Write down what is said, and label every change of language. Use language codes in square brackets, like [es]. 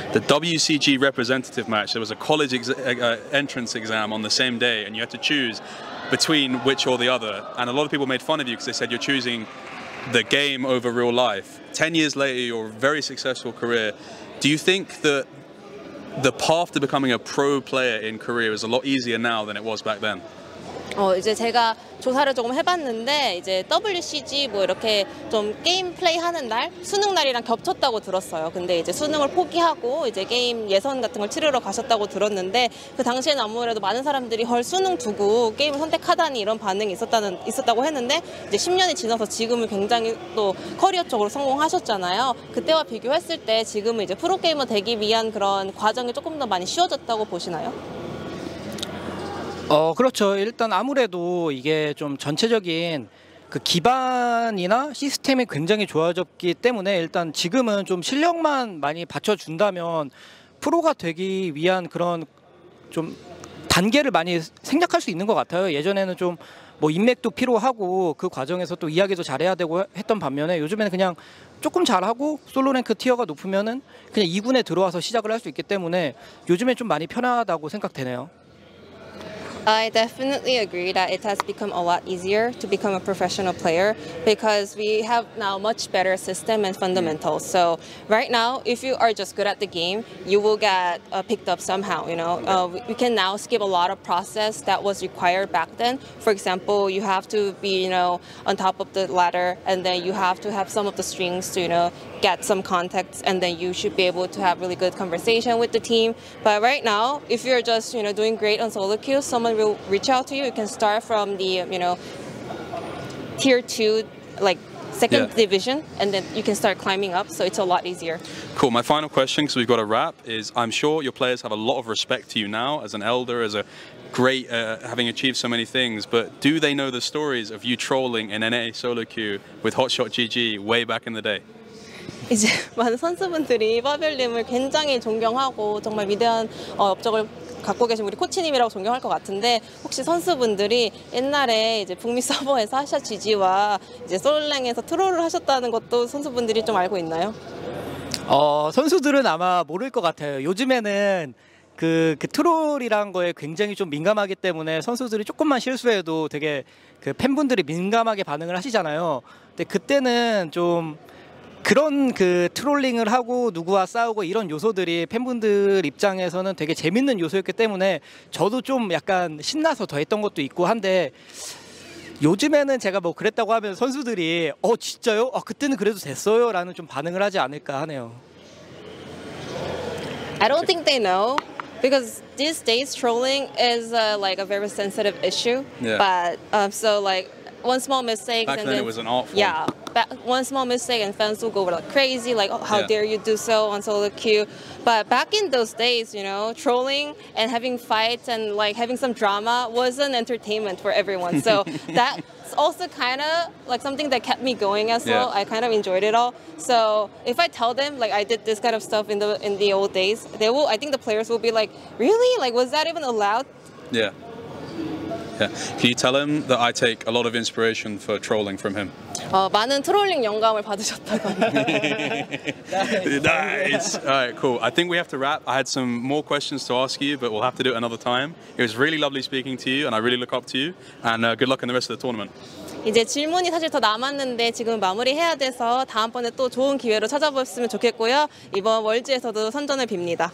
[en] The WCG representative match, there was a college entrance exam on the same day and you had to choose between which or the other. And a lot of people made fun of you because they said you're choosing the game over real life. 10 years later, your very successful career. Do you think that the path to becoming a pro player in Korea is a lot easier now than it was back then? [ko] 이제 제가 조사를 조금 해봤는데 이제 WCG 뭐 이렇게 좀 게임 플레이 하는 날 수능 날이랑 겹쳤다고 들었어요. 근데 이제 수능을 포기하고 이제 게임 예선 같은 걸 치르러 가셨다고 들었는데 그 당시에는 아무래도 많은 사람들이 헐 수능 두고 게임을 선택하다니 이런 반응이 있었다고 했는데 이제 10년이 지나서 지금은 굉장히 또 커리어 쪽으로 성공하셨잖아요. 그때와 비교했을 때 지금은 이제 프로 게이머 되기 위한 그런 과정이 조금 더 많이 쉬워졌다고 보시나요? 그렇죠. 일단 아무래도 이게 좀 전체적인 그 기반이나 시스템이 굉장히 좋아졌기 때문에 일단 지금은 좀 실력만 많이 받쳐준다면 프로가 되기 위한 그런 좀 단계를 많이 생략할 수 있는 것 같아요. 예전에는 좀 뭐 인맥도 필요하고 그 과정에서 또 이야기도 잘해야 되고 했던 반면에 요즘에는 그냥 조금 잘하고 솔로 랭크 티어가 높으면은 그냥 2군에 들어와서 시작을 할 수 있기 때문에 요즘에 좀 많이 편하다고 생각되네요. [en] I definitely agree that it has become a lot easier to become a professional player because we have now much better system and fundamentals. So right now, if you are just good at the game, you will get picked up somehow, you know. We can now skip a lot of process that was required back then. For example, you have to be, you know, on top of the ladder and then you have to have some of the strings to, you know, get some contacts and then you should be able to have really good conversation with the team. But right now, if you're just, you know, doing great on solo queue, someone will reach out to you. You can start from the, you know, tier two, like second division, and then you can start climbing up. So it's a lot easier. Cool. My final question, because we've got a wrap, is I'm sure your players have a lot of respect to you now as an elder, as a great, having achieved so many things. But do they know the stories of you trolling in NA solo queue with Hotshot GG way back in the day? [ko] 이제 많은 선수분들이 파벨님을 굉장히 존경하고 정말 위대한 업적을 갖고 계신 우리 코치님이라고 존경할 것 같은데 혹시 선수분들이 옛날에 이제 북미 서버에서 하샷 지지와 이제 솔랭에서 트롤을 하셨다는 것도 선수분들이 좀 알고 있나요? 선수들은 아마 모를 것 같아요. 요즘에는 그 트롤이란 거에 굉장히 좀 민감하기 때문에 선수들이 조금만 실수해도 되게 그 팬분들이 민감하게 반응을 하시잖아요. 근데 그때는 좀 그런 그 트롤링을 하고 누구와 싸우고 이런 요소들이 팬분들 입장에서는 되게 재밌는 요소였기 때문에 저도 좀 약간 신나서 더 했던 것도 있고 한데 요즘에는 제가 뭐 그랬다고 하면 선수들이 진짜요? 그때는 그래도 됐어요? 라는 좀 반응을 하지 않을까 하네요. [en] I don't think they know because these days trolling is like a very sensitive issue. Yeah. But so like one small mistake back then it was an art form. Yeah. One small mistake and fans will go like crazy, like, oh, how dare you do so on solo queue. But back in those days, you know, trolling and having fights and like having some drama was an entertainment for everyone. So that's also kind of like something that kept me going as well. I kind of enjoyed it all. So if I tell them like I did this kind of stuff in the old days, they will, I think the players will be like, really? Like, was that even allowed? Yeah. Yeah. Can you tell him that I take a lot of inspiration for trolling from him? [ko] 많은 트롤링 영감을 받으셨다고. [en] Nice. Nice. All right, cool. I think we have to wrap. I had some more questions to ask you, but we'll have to do it another time. It was really lovely speaking to you, and I really look up to you. And good luck in the rest of the tournament. [ko] 이제 질문이 사실 더 남았는데 지금 마무리해야 돼서 다음번에 또 좋은 기회로 찾아뵙으면 좋겠고요. 이번 월즈에서도 선전을 빕니다.